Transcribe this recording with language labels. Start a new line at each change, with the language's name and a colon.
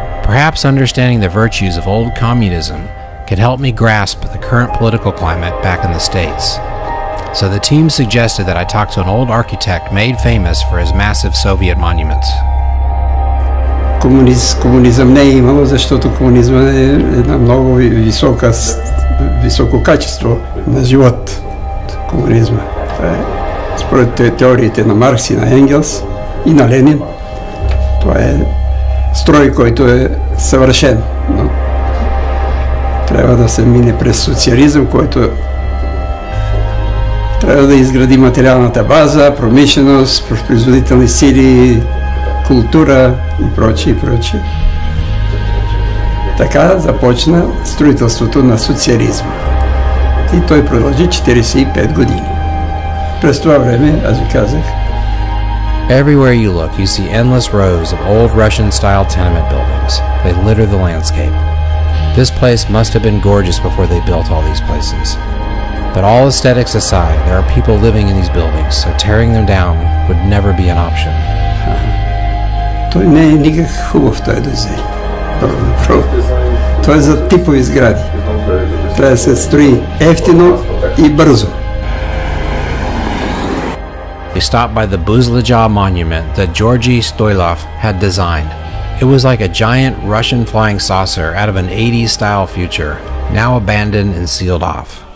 English: Perhaps understanding the virtues of old communism could help me grasp the current political climate back in the States. So the team suggested that I talk to an old architect made famous for his massive Soviet monuments.
Bulgarian: Комунизъм не е имало, защото комунизма е една много високо качество на живот. Комунизма. Това е според теориите на Маркс и на Енгелс и на Ленин. Това е строй, който е съвършен, но трябва да се мине през социализъм, който трябва да изгради материалната база, промишленост, производителни сили, култура и прочее, и прочее. Така започна строителството на социализма. И той продължи 45 години. През това време, аз ви казах.
English: Everywhere you look, you see endless rows of old Russian-style tenement buildings. They litter the landscape. This place must have been gorgeous before they built all these places. But all aesthetics aside, there are people living in these buildings, so tearing them down would never be an option.
Bulgarian: Той не е никак хубав, той дизайн. Той е за типови сгради. Трябва да се строи ефтино и бързо.
English: We stopped by the Buzlija monument that Georgi Stoilov had designed. It was like a giant Russian flying saucer out of an 80s style future, now abandoned and sealed off.